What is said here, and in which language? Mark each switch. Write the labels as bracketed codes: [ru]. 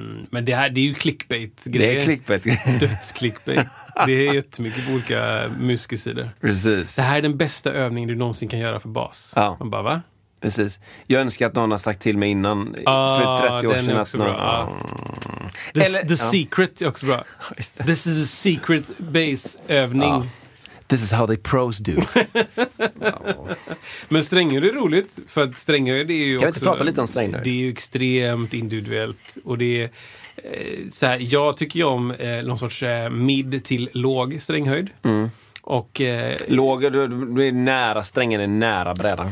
[sv] Men det är ju clickbait-grejer. Det är clickbait-grejer. Döds-clickbait. Det är jättemycket på olika musikersidor. Precis. Det här är den bästa övningen du någonsin kan göra för bas. Ja. Man bara, va? Precis. Jag önskar att någon har sagt till mig innan. För 30 år sedan. Att någon... The secret är också bra. [en] This is a secret bass-övning. This is how the pros do. [sv] Men stränghöjd är roligt. För att stränghöjd är ju kan också... Kan vi inte prata lite om stränghöjd? Det är ju extremt individuellt. Och det är... så här, jag tycker ju om någon sorts mid till låg stränghöjd. Mm. Och... låg, du är nära, strängen är nära brädan.